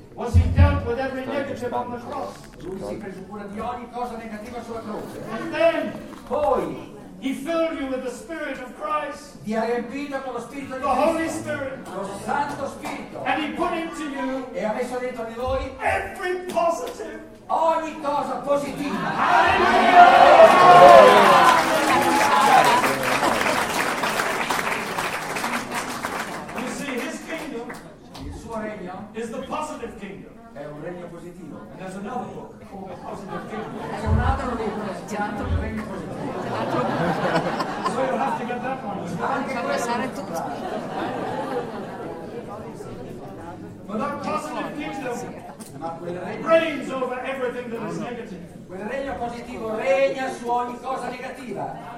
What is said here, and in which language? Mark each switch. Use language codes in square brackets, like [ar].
[en] Was he dealt with every negative on the cross? [it] Lui si prese cura di ogni cosa negativa sulla croce. [en] And then, [it] poi, [en] he filled you with the Spirit of Christ. [it] Vi ha riempito con lo Spirito di [en] Cristo. The Holy Spirit. [it] Lo Santo Spirito. [en] And he put into you. [it] E ha messo dentro di voi. [en] Every positive. [it] Ogni cosa positiva. Hallelujah! [en] You see, his kingdom, [it] il suo regno, [en] is the positive kingdom. [it] È un regno positivo. [en] And there's another book called the positive kingdom. [it] C'è un altro libro, c'è un altro regno positivo. [en] So you'll have to get that one. [it] Anche pensare tutto. [en] But that positive kingdom. Reigns over everything that is negative. [it] Quel regno positivo regna su ogni cosa negativa.